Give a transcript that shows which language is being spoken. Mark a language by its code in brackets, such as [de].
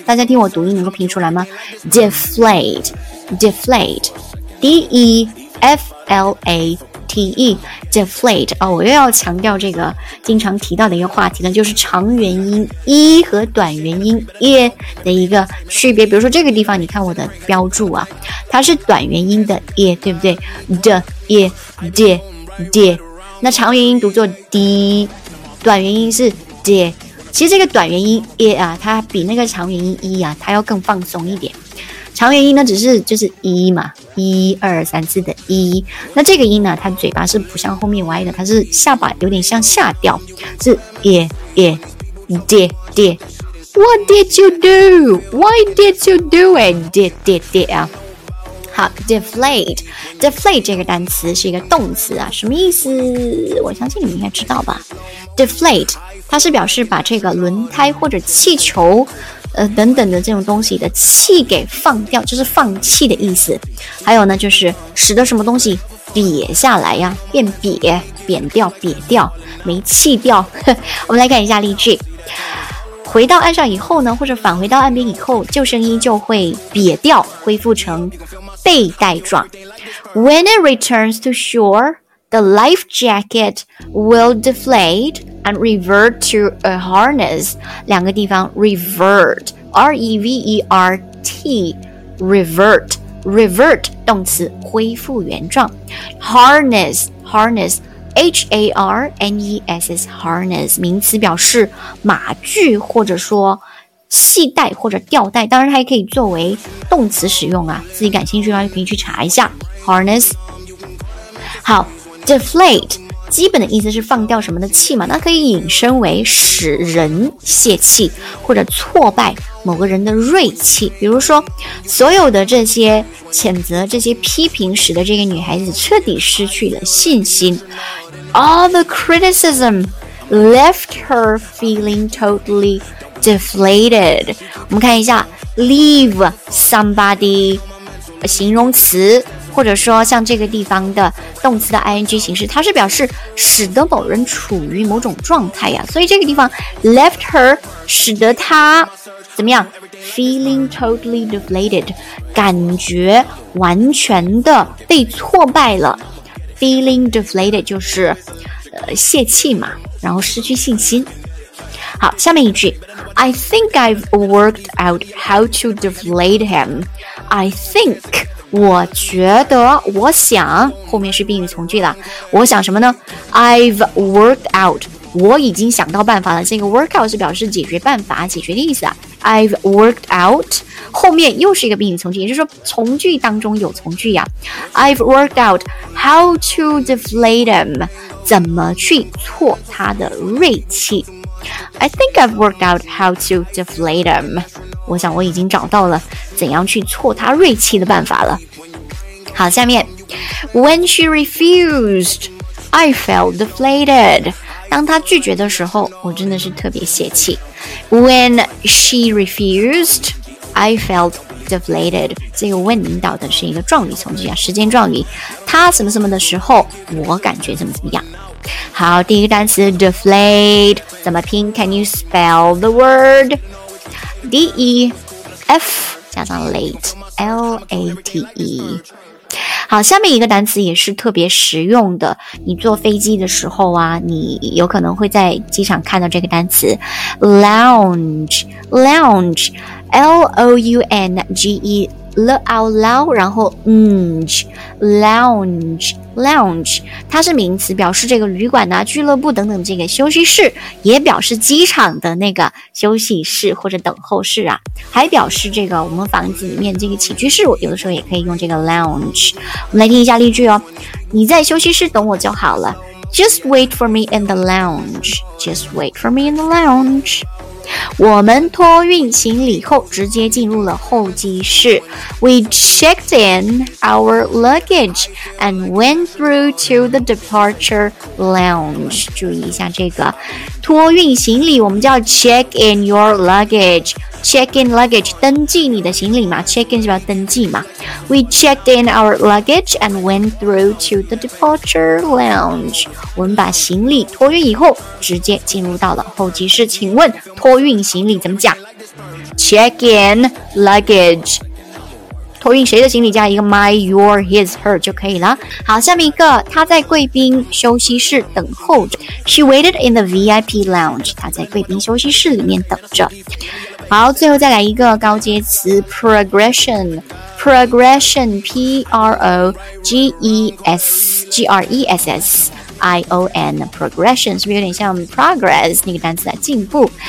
[zh] 大家听我读音能够拼出来吗？Deflate， Deflate， D-E-F-L-A-T-E， Deflate。哦，我又要强调这个经常提到的一个话题呢，就是长元音 E 和短元音 E 的一个区别。比如说这个地方你看我的标注啊，它是短元音的 E， 对不对？ De E De De， 那长元音读作 D， 短元音是 De。其实这个短元音 E 啊，它比那个长元音 E 啊它要更放松一点。长元音呢只是就是一嘛，一二三四的一。那这个音呢它嘴巴是不像后面歪的，它是下巴有点像下调，是耶耶耶耶。 [en] What did you do? Why did you do it? Did, did, did, yeah. [zh] 好 deflate. Deflate 这个单词是一个动词啊，什么意思？我相信你们应该知道吧。Deflate, 它是表示把这个轮胎或者气球等等的这种东西的气给放掉，就是放气的意思。还有呢，就是使得什么东西瘪下来呀，变瘪，扁掉，瘪掉，没气掉。我们来看一下例句。回到岸上以后呢，或者返回到岸边以后，救生衣就会瘪掉，恢复成背带状。 [en] When it returns to shore, the life jacket will deflate and revert to a harness. [zh] 两个地方 revert, R-E-V-E-R-T, revert, revert, 动词恢复原状。 Harness, harness,H-A-R-N-E-S-S Harness 名词表示马具或者说系带或者吊带，当然它也可以作为动词使用啊，自己感兴趣的话就可以去查一下 Harness。好 Deflate 基本的意思是放掉什么的气嘛，那可以引申为使人泄气或者挫败某个人的锐气，比如说所有的这些谴责这些批评使得这个女孩子彻底失去了信心。 [en] All the criticism left her feeling totally deflated. [zh] 我们看一下 leave somebody 形容词，或者说像这个地方的动词的 ing 形式，它是表示使得某人处于某种状态呀。所以这个地方 left her 使得她怎么样 [en] feeling totally deflated, [zh] 感觉完全的被挫败了。 feeling deflated 就是泄气嘛，然后失去信心。好，下面一句 [en] I think I've worked out how to deflate him. I think, [zh] 我觉得，我想，后面是宾语从句了。我想什么呢？ [en] I've worked out, [zh] 我已经想到办法了。这个 work out 是表示解决办法，解决的意思啊。 [en] I've worked out, [zh] 后面又是一个宾语从句，也就是说从句当中有从句呀。 [en] I've worked out how to deflate him, [zh] 怎么去挫他的锐气。 [en] I think I've worked out how to deflate him, [zh] 我想我已经找到了怎样去挫他锐气的办法了。好，下面 [en] When she refused, I felt deflated. [zh] 当他拒绝的时候，我真的是特别泄气。 [en] When she refused, I felt deflated. [zh] 这个 when 引导的是一个状语从句啊，时间状语。他什么什么的时候，我感觉怎么怎么样。好，第一个单词 deflate 怎么拼 ？ [en] Can you spell the word? D E F [zh] 加上 [en] late, L A T E。 [zh] 好，下面一个单词也是特别实用的，你坐飞机的时候啊，你有可能会在机场看到这个单词 lounge, lounge, L-O-U-N-G-E, [en] look out loud, [zh] 然后 nge, lounge, lounge, 它是名词，表示这个旅馆啊、俱乐部等等这个休息室，也表示机场的那个休息室或者等候室啊，还表示这个我们房子里面这个起居室，有的时候也可以用这个 lounge。我们来听一下例句哦。你在休息室等我就好了。 [en] Just wait for me in the lounge. Just wait for me in the lounge. [zh] 我们托运行李后直接进入了候机室。 [en] We checked in our luggage and went through to the departure lounge. [zh] 注意一下这个托运行李，我们叫 [en] check in your luggageCheck in luggage, [zh] 登记你的行李嘛。 Check in 是要登记嘛。 [en] We checked in our luggage and went through to the departure lounge. [zh] 我们把行李托运以后，直接进入到了候机室。请问托运行李怎么讲 ？ [en] Check in luggage. [zh] 托运谁的行李加一个 my, your, his, her 就可以了。好，下面一个，她在贵宾休息室等候着。 [en] She waited in the VIP lounge. [zh] 她在贵宾休息室里面等着。好，最后再来一个高阶词 progression, progression, P-R-O-G-E-S, G-R-E-S-S, P-R-O-G-R-E-S-S-I-O-N Progression 是不是有点像 progress 那个单词的进步。